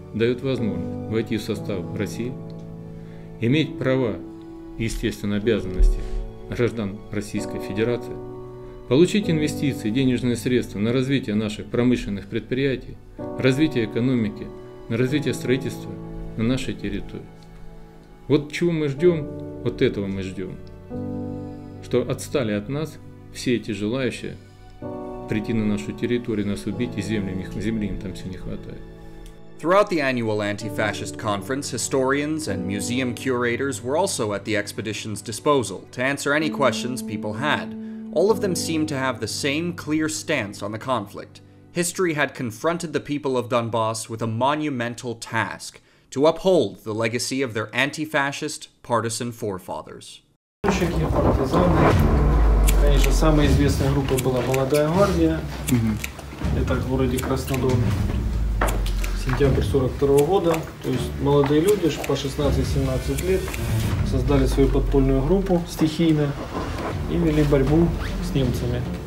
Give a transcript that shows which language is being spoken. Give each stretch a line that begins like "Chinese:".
Russian: Дает возможность войти в состав России, иметь права, естественно, обязанности граждан Российской Федерации, получить инвестиции, денежные средства на развитие наших промышленных предприятий, развитие экономики, на развитие строительства на нашей территории. Вот чего мы ждем, вот этого мы ждем, что отстали от нас все эти желающие прийти на нашу территорию, нас убить, и земли им там все не хватает.
English: Throughout the annual anti-fascist conference, historians and museum curators were also at the expedition's disposal to answer any questions people had. All of them seemed to have the same clear stance on the conflict. History had confronted the people of Donbass with a monumental task to uphold the legacy of their anti-fascist partisan forefathers.
Russian: Чеки партизаны, конечно, самая известная группа была «Молодая гвардия». Угу. Это в городе Краснодон. Сентябрь 42 года. То есть молодые люди по 16-17 лет создали свою подпольную группу стихийно и вели борьбу с немцами.